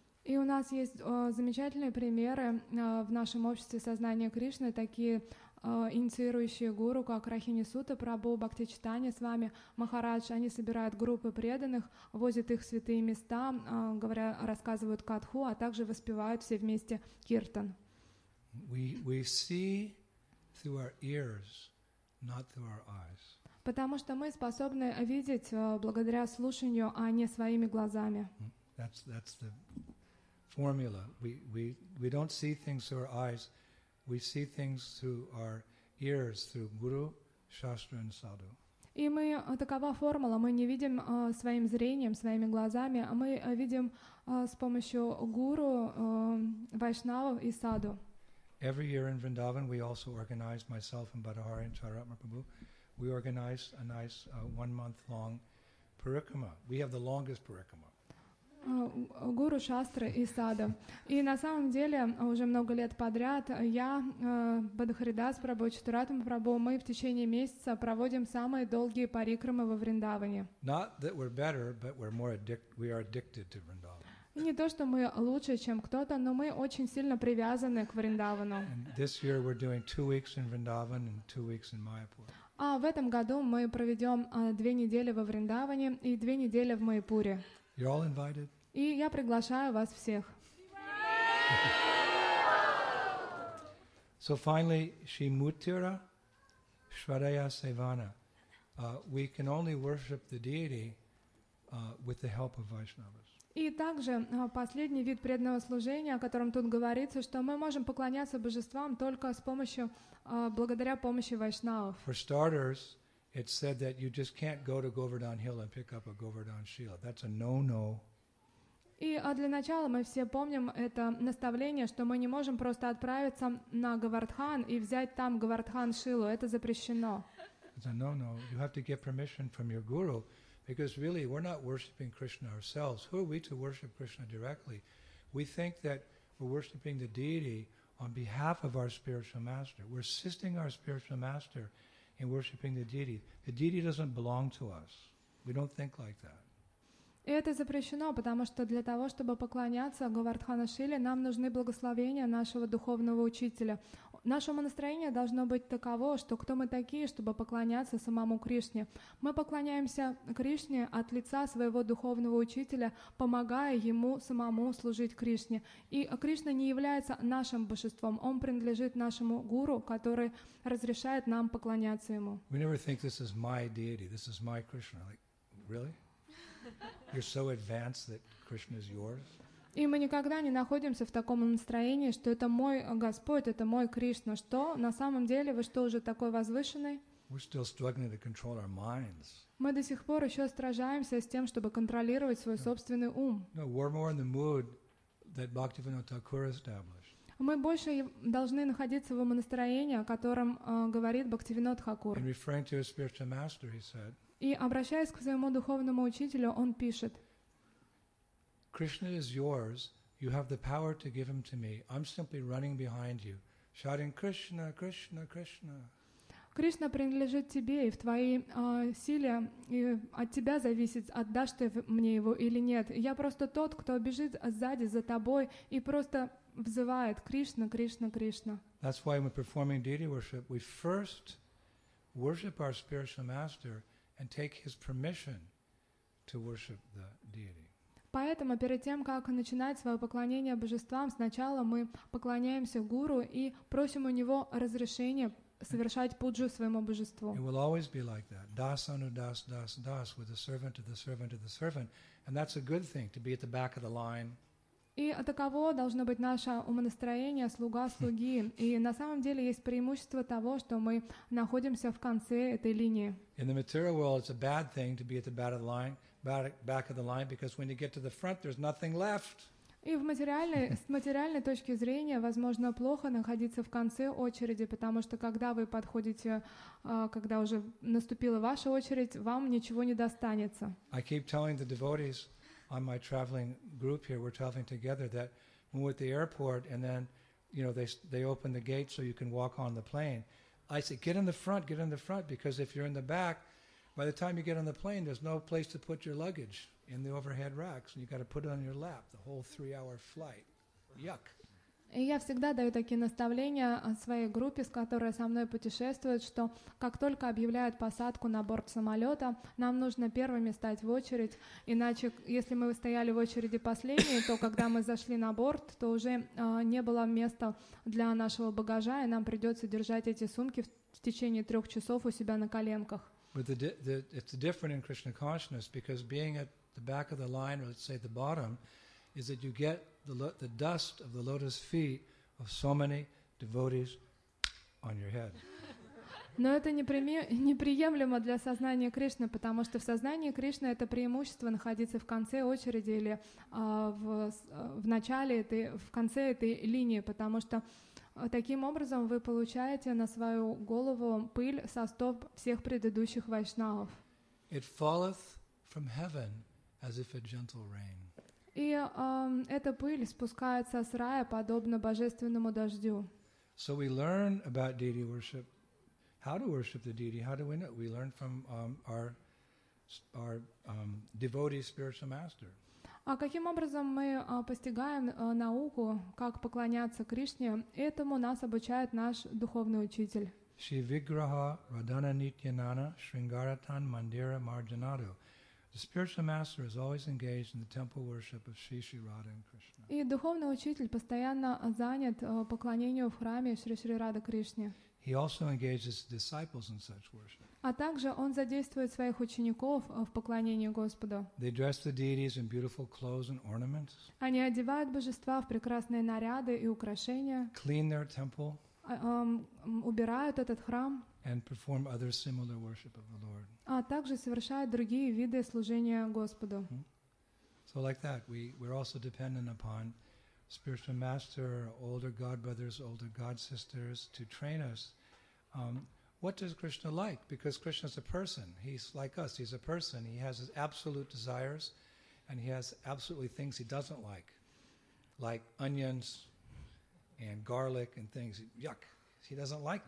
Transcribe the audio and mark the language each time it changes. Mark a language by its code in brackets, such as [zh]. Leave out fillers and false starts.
[ru] И у нас есть замечательные примеры в нашем обществе сознания Кришны, такие инициирующие гуру, как Рахини Сута Прабху, Бхакти Читания с вами, Махарадж. Они собирают группы преданных, возят их в святые места, рассказывают катху, а также воспевают все вместе киртан. [en] We see through our ears, not through our eyes. [ru] Потому что мы способны видеть благодаря слушанию, а не своими глазами. [en] That's the formula. We don't see things through our eyes. We see things through our ears, through guru, shastra, and sadhu. [ru] И мы такова формула. Мы не видим своим зрением, своими глазами, а мы видим с помощью гуру, вайшнавов и саду. [en] Every year in Vrindavan, we also organize, myself and Badahari and Charatma Prabhu, we organize a nice one-month-long parikrama. We have the longest parikrama. [ru] Гуру Шастры и Сада. И на самом деле уже много лет подряд я, Бадхаридас Прабху, Чатуратам Прабху, мы в течение месяца проводим самые долгие парикрамы во Вриндаване. [en] Not that we're better, but we're more we are addicted to Vrindavan. [ru] И не то, что мы лучше, чем кто-то, но мы очень сильно привязаны к Вриндавану. [en] And this year we're doing 2 weeks in Vrindavan and 2 weeks in Mayapur. [ru] А в этом году мы проведем 2 недели во Вриндаване и 2 недели в Майпуре. [en] You're all invited. [ru] И я приглашаю вас всех. [en] So finally, Shri Mutira Shraya Sevana. We can only worship the deity with the help of Vaishnavas. [ru] И также последний вид преданного служения, о котором тут говорится, что мы можем поклоняться божествам только с помощью, благодаря помощи вайшнавов. [en] For starters, it said that you just can't go to Govardhan Hill and pick up a Govardhan Shila. That's a no-no. [ru] И для начала мы все помним это наставление, что мы не можем просто отправиться на Говардхан и взять там Говардхан Шилу. Это запрещено. [en] It's a no-no. You have to get permission from your guru. Because really, we're not worshiping Krishna ourselves. Who are we to worship Krishna directly? We think that we're worshiping the deity on behalf of our spiritual master. We're assisting our spiritual master in worshiping the deity. The deity doesn't belong to us. We don't think like that. [ru] И это запрещено, потому что для того, чтобы поклоняться Говардхану Шиле, нам нужны благословения нашего духовного учителя. Наше настроение должно быть таково, что кто мы такие, чтобы поклоняться самому Кришне. Мы поклоняемся Кришне от лица своего духовного учителя, помогая ему самому служить Кришне. И Кришна не является нашим божеством, он принадлежит нашему гуру, который разрешает нам поклоняться ему. [en] We never think this is my deity, this is my Krishna. Like, really? You're so advanced that Krishna is yours. [ru] И мы никогда не находимся в таком настроении, что это мой Господь, это мой Кришна. Что на самом деле вы что уже такой возвышенный? [en] We're still struggling to control our minds. [ru] Мы до сих пор еще сражаемся с тем, чтобы контролировать свой собственный ум. [en] No, we're more in the mood that Bhaktivinoda Thakur established. [ru] Мы больше должны находиться в настроении, о котором говорит Бхактивинода Тхакур. [en] In referring to his spiritual master, he said. [ru] И обращаясь к своему духовному учителю, он пишет: [en] Krishna is yours. You have the power to give him to me. I'm simply running behind you, shouting Krishna, Krishna, Krishna. [ru] Кришна принадлежит тебе и в твоей силе, и от тебя зависит, отдашь ты мне его или нет. Я просто тот, кто бежит сзади за тобой и просто взывает Кришна, Кришна, Кришна. [en] That's why when performing deity worship, we first worship our spiritual master and take his permission to worship the deity. [ru] Поэтому перед тем, как начинать свое поклонение божествам, сначала мы поклоняемся гуру и просим у него разрешения совершать пуджу своему божеству. [en] It will always be like that. [sa] Das anu das das das [en] with the servant to the servant to the servant. And that's a good thing, to be at the back of the line. [ru] И таково должно быть наше умонастроение, слуга слуги. И на самом деле есть преимущество того, что мы находимся в конце этой линии. [en] In the material world, it's a bad thing to be at the back of the line, back of the line, because when you get to the front, there's nothing left. [ru] И в материальной, с материальной точки зрения, возможно, плохо находиться в конце очереди, потому что когда вы подходите, когда уже наступила ваша очередь, вам ничего не достанется. [en] I keep telling the devotees on my traveling group here, we're traveling together, that when we're at the airport and then, you know, they open the gate so you can walk on the plane. I say, get in the front, because if you're in the back, by the time you get on the plane, there's no place to put your luggage in the overhead racks, and you've got to put it on your lap, the whole 3-hour flight. Yuck. [ru] И я всегда даю такие наставления своей группе, с которой со мной путешествуют, что как только объявляют посадку на борт самолета, нам нужно первыми стать в очередь, иначе если мы стояли в очереди последние, то когда мы зашли на борт, то уже не было места для нашего багажа, и нам придется держать эти сумки в течение 3 часов у себя на коленках. [en] It's different in Krishna consciousness, because being at the back of the line, or let's say the bottom, is that you get the dust of the lotus feet of so many devotees on your head. [ru] Но это неприемлемо для сознания Кришны, потому что в сознании Кришны это преимущество находиться в конце очереди или в начале этой, в конце этой линии, потому что таким образом вы получаете на свою голову пыль со стоп всех предыдущих вайшнавов. [en] It falleth from heaven as if a gentle rain. [ru] И эта пыль спускается с рая, подобно божественному дождю. [en] So we learn about deity worship. How to worship the deity? How do we know? We learn from our devotee spiritual master. [ru] А каким образом мы постигаем науку, как поклоняться Кришне? Этому нас обучает наш духовный учитель. [sa] Shri Vigraha Radhana Nityanana Shringaratan Mandira Marjanado. [en] The spiritual master is always engaged in the temple worship of Shri Shri Radha and Krishna. [ru] И духовный учитель постоянно занят поклонением в храме Шри Шри Рада Кришне. [en] He also engages disciples in such worship. [ru] А также он задействует своих учеников в поклонении Господу. [en] They dress the deities in beautiful clothes and ornaments. [ru] Они одевают божества в прекрасные наряды и украшения. [en] Clean their temple. [ru] Убирают этот храм. [en] And perform other similar worship of the Lord. [ru] А также совершают другие виды служения Господу. Mm-hmm. [en] So like that, we're also dependent upon spiritual master, older god brothers, older god sisters to train us. What does Krishna like? Because Krishna is a person. He's like us. He's a person. He has his absolute desires, and he has absolutely things he doesn't like onions and garlic and things. Yuck. He doesn't like.